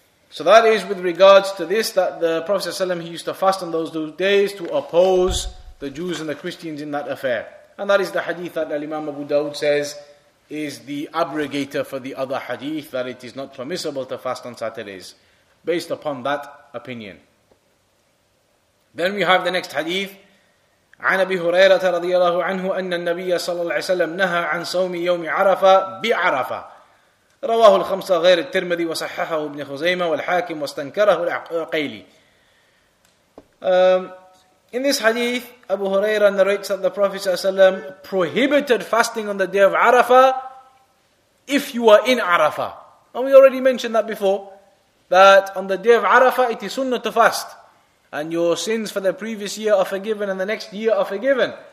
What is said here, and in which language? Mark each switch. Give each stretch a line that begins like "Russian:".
English: So that is with regards to this, that the Prophet ﷺ, he used to fast on those days to oppose the Jews and the Christians in that affair. And that is the hadith that Imam Abu Dawud says is the abrogator for the other hadith, that it is not permissible to fast on Saturdays, based upon that opinion. Then we have the next hadith.
Arabic: عن أبي هريرة رضي الله عنه أن النبي صلى الله عليه وسلم نهى عن صوم يوم عرفة بعرفة رواه الخمسة غير الترمذي وصححه ابن خزيمة والحاكم واستنكره العقيلي.
English: In this hadith, Abu Huraira narrates that the Prophet ﷺ prohibited fasting on the day of Arafah if you are in Arafah. And we already mentioned that before, that on the day of Arafah it is sunnah to fast, and your sins for the previous year are forgiven and the next year are forgiven.